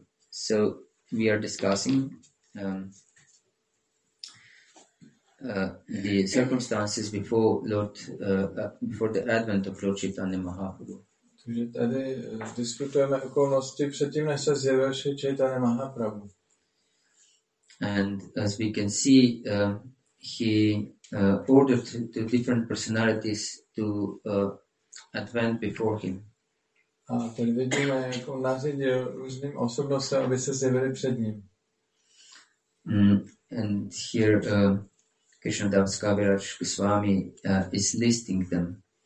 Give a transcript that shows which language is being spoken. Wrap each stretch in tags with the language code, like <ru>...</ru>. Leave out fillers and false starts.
<en>So we are discussing the circumstances before Lord, before the advent of Lord Chaitanya Mahaprabhu.</en> <cs>Takže tady diskutujeme okolnosti předtím, než se zjevil Sri Chaitanya Mahaprabhu.</cs> <en>And as we can see, he ordered the different personalities to advent before him.</en> <cs>A tady vidíme, jak on nařídil různým osobnostem, aby se zjevili před ním.</cs> <en>And here Krishna Das Kaviraj Goswami is listing them.</en>